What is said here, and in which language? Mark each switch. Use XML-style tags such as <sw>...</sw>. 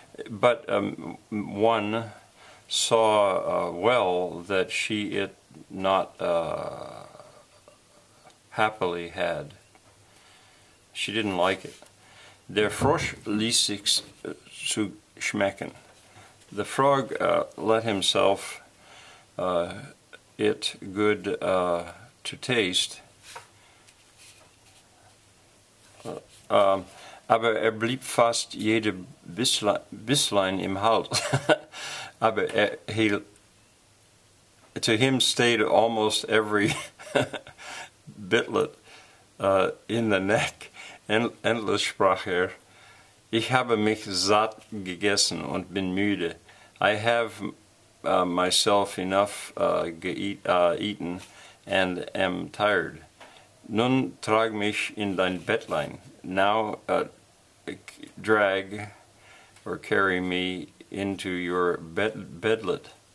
<en>But one saw well that she it not happily had. She didn't like it.</en> <de>Der Frosch ließ sich zu schmecken.</de> <en>The frog let himself it good to taste.</en> <de>Aber er blieb fast jede Bisslein im Hals. Aber</de> <en>to him stayed almost every bitlet in the neck.</en> <de>Endlich sprach er, ich habe mich satt gegessen und bin müde.</de> <en>I have myself enough eaten and am tired.</en> <de>Nun trag mich in dein Bettlein.</de> <en>Now drag or carry me into your bedlet.</en>